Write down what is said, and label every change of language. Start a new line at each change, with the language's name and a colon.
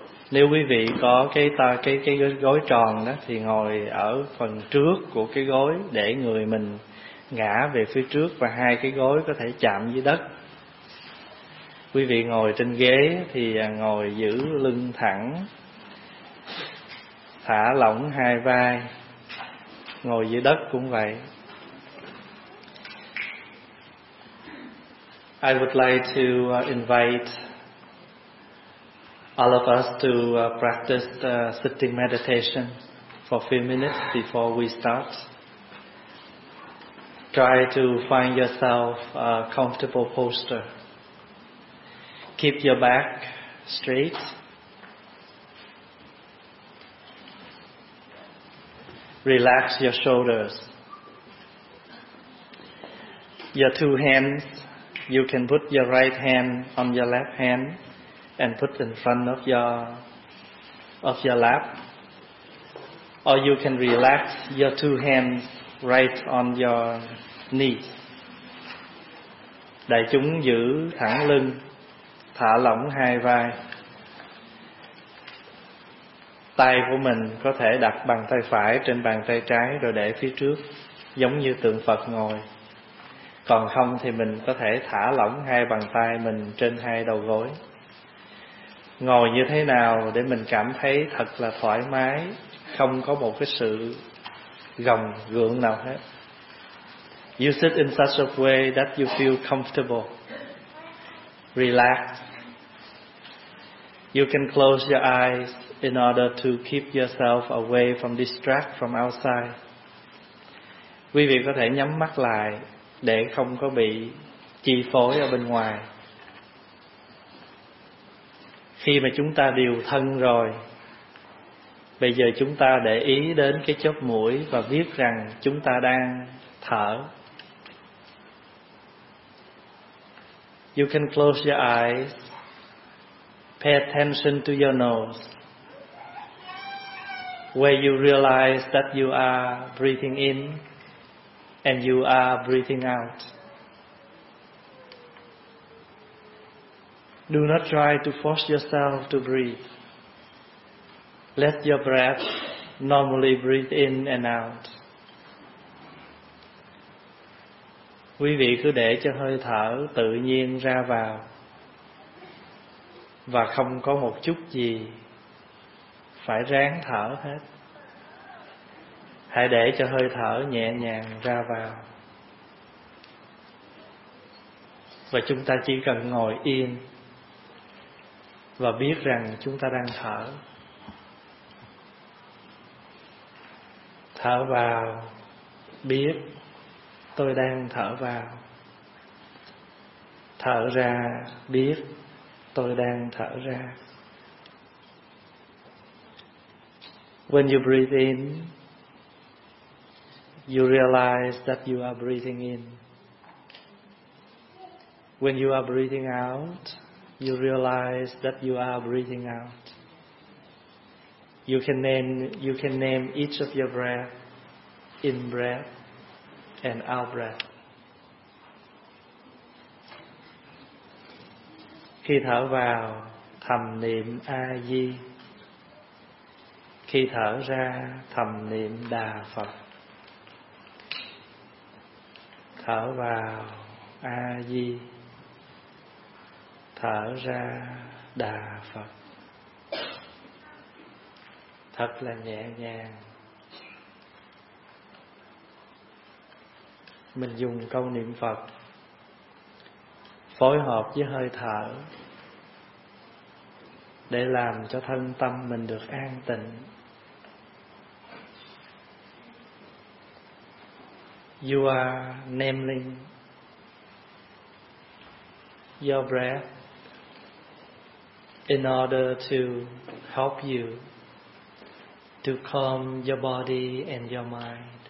Vietnamese: Nếu quý vị có cái gối tròn đó thì ngồi ở phần trước của cái gối, để người mình ngã về phía trước và hai cái gối có thể chạm dưới đất. Quý vị ngồi trên ghế thì ngồi giữ lưng thẳng, thả lỏng hai vai, ngồi dưới đất cũng vậy.
English: I would like to invite all of us to practice sitting meditation for a few minutes before we start. Try to find yourself a comfortable posture. Keep your back straight Relax your shoulders. Your two hands, you can put your right hand on your left hand and put in front of your lap. Or you can relax your two hands right on your knees.
Vietnamese: Đại chúng giữ thẳng lưng, thả lỏng hai vai. Tay của mình có thể đặt bàn tay phải trên bàn tay trái rồi để phía trước, giống như tượng Phật ngồi. Còn không thì mình có thể thả lỏng hai bàn tay mình trên hai đầu gối. Ngồi như thế nào để mình cảm thấy thật là thoải mái, không có một cái sự gồng gượng nào hết.
English: You sit in such a way that you feel comfortable. Relax. You can close your eyes in order to keep yourself away from distract from outside.
Vietnamese: Quý vị có thể nhắm mắt lại để không có bị chi phối ở bên ngoài. Khi mà chúng ta điều thân rồi, bây giờ chúng ta để ý đến cái chóp mũi và biết rằng chúng ta đang thở.
English: You can close your eyes. Pay attention to your nose, where you realize that you are breathing in and you are breathing out. Do not try to force yourself to breathe. Let your breath normally breathe in and out.
Vietnamese: Quý vị cứ để cho hơi thở tự nhiên ra vào và không có một chút gì phải ráng thở hết. Hãy để cho hơi thở nhẹ nhàng ra vào. Và chúng ta chỉ cần ngồi yên và biết rằng chúng ta đang thở. Thở vào, biết tôi đang thở vào. Thở ra, biết tôi đang thở ra.
English: When you breathe in, you realize that you are breathing in. When you are breathing out, you realize that you are breathing out. You can name each of your breath, in breath and out breath.
Vietnamese: Khi thở vào, thầm niệm A Di. Khi thở ra, thầm niệm Đà Phật. Thở vào A Di. Thở ra Đà Phật. Thật là nhẹ nhàng. Mình dùng câu niệm Phật phối hợp với hơi thở để làm cho thân tâm mình được an tịnh.
English: You are naming your breath in order to help you to calm your body and your mind.